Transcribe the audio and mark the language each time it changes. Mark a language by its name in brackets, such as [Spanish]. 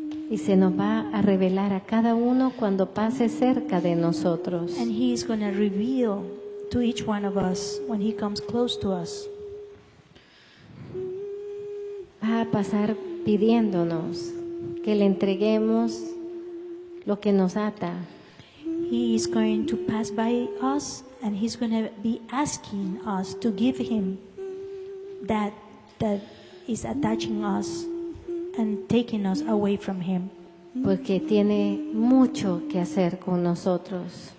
[Spanish] Y se nos va a revelar a cada uno cuando pase cerca de nosotros. [English] And he is going to reveal to each one of us when he comes close to us. [Spanish] Va a pasar pidiéndonos que le entreguemos lo que nos ata. [English] He is going to pass by us and he's going to be asking us to give him that is attaching us and taking us away from him. [Spanish] Porque tiene mucho que hacer con nosotros.